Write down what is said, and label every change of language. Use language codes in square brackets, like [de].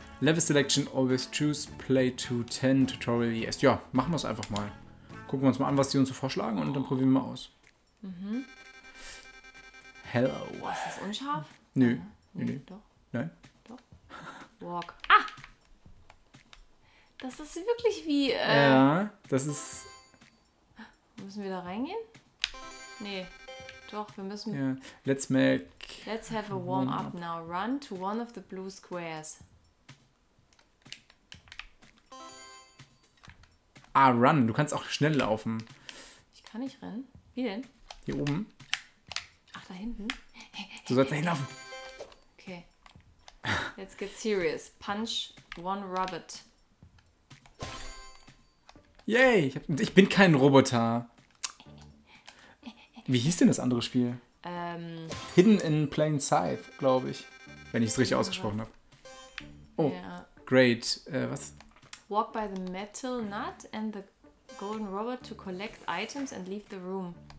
[en] Level Selection, always choose Play to 10 Tutorial Yes. [de] Ja, machen wir es einfach mal. Gucken wir uns mal an, was die uns so vorschlagen und dann probieren wir mal aus. Mhm. [en] Hello. [de] Ist das unscharf? Nö. Ja. Nö. Doch. Nein? Doch. Walk. Ah! Das ist wirklich wie. Ja, das ist. Müssen wir da reingehen? Nee. Doch, wir müssen... [en] Yeah. Let's make... Let's have a warm-up now. Run to one of the blue squares. Ah, run. [de] Du kannst auch schnell laufen. Ich kann nicht rennen. Wie denn? Hier oben. Ach, da hinten? Du sollst da hinlaufen. [en] Okay. Let's get serious. Punch one Robot. [de] Yay! Ich bin kein Roboter. Wie hieß denn das andere Spiel? Hidden in Plain Sight, glaube ich. Wenn ich es richtig ausgesprochen habe. [en] Oh, yeah. Great. Was? Walk by the metal nut and the golden robot to collect items and leave the room.